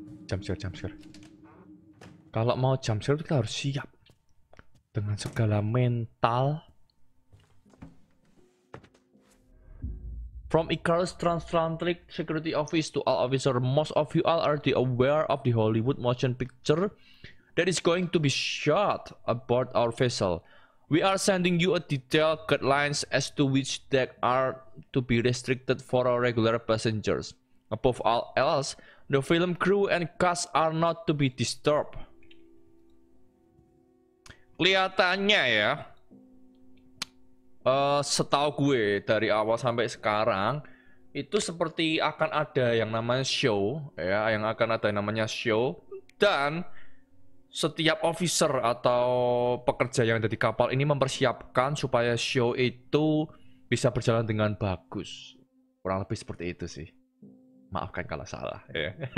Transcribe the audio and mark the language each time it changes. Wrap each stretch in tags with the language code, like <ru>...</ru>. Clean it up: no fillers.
<en>Jumpscare.</en> <id>Kalau mau jumpscare kita harus siap dengan segala mental.</id> <en>From Icarus Transatlantic Security Office to all officer, most of you all are aware of the Hollywood motion picture that is going to be shot aboard our vessel. We are sending you a detailed guidelines as to which deck are to be restricted for our regular passengers. Above all else, the film crew and cast are not to be disturbed.</en> <id>Kelihatannya ya, setahu gue dari awal sampai sekarang itu seperti akan ada yang namanya show ya, yang akan ada yang namanya show, dan setiap officer atau pekerja yang ada di kapal ini mempersiapkan supaya show itu bisa berjalan dengan bagus, kurang lebih seperti itu sih, maafkan kalau salah ya.</id>